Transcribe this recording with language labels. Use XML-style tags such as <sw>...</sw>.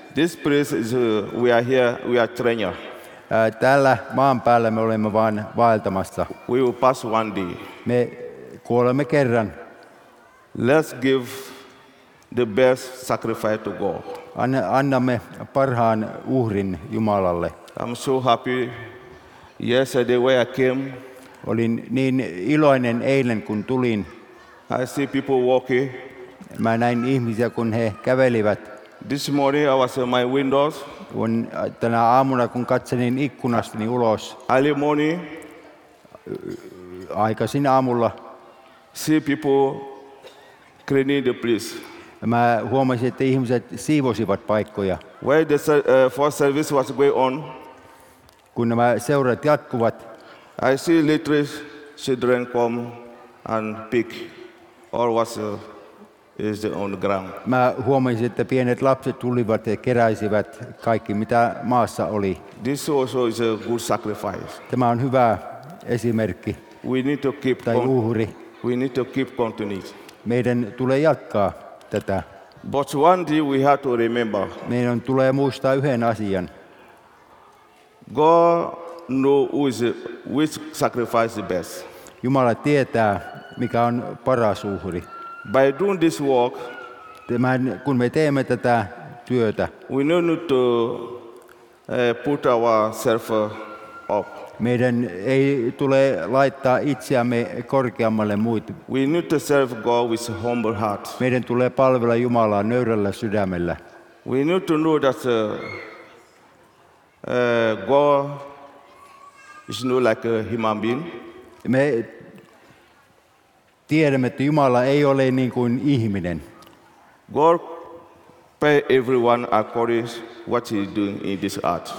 <en>This place is we are here, we are training.</en> <fi>Tällä maan päällä me olemme vain vaeltamassa.</fi> <en>We will pass one day.</en> <fi>Me kuolemme kerran.</fi> <en>Let's give the best sacrifice to God.</en> <fi>Annamme parhaan uhrin Jumalalle.</fi> <en>I'm so happy yesterday when I came.</en> <fi>Olin niin iloinen eilen kun tulin.</fi> <en>I see people walking.</en> <fi>Mä näin ihmisiä kun he kävelivät.</fi> <en>This morning I was in my windows.</en> <fi>Kun tänä aamuna kun katselin ikkunastani ulos.</fi> <en>Early morning.</en> <fi>Aikaisin aamulla.</fi> <en>See people cleaning the place.</en> <fi>Mä huomasin, että ihmiset siivosivat paikkoja.</fi> <en>While the first service was going on,</en> <fi>kun nämä seurat jatkuvat,</fi> <en>I see little children come and pick all was is on the ground.</en> <fi>Mä huomasin, että pienet lapset tulivat ja keräisivät kaikki mitä maassa oli.</fi> <en>This also is a good sacrifice.</en> <fi>Tämä on hyvä esimerkki.</fi> <en>We need to keep</en> <fi>tai uhri.</fi> <en>We need to keep continuing.</en> <fi>Meidän tulee jatkaa.</fi> <en>But one thing we have to remember.</en> <fi>Meidän tulee muistaa yhden asian.</fi> <en>God knows which sacrifice is best.</en> <fi>Jumala tietää mikä on paras uhri.</fi> <en>By doing this work,</en> <fi>kun me teemme tätä työtä,</fi> <en>we need to put ourselves up.</en> <fi>Meidän ei tule laittaa itseämme korkeammalle muita.</fi> <en>We need to serve God with a humble heart.</en> <fi>Meidän tulee palvella Jumalaa nöyrällä sydämellä.</fi> <en>We need to know that God is not like a human being.</en> <fi>Me tiedämme, että Jumala ei ole niin kuin ihminen.</fi> <en>God pay everyone according to what he is doing in this earth.</en>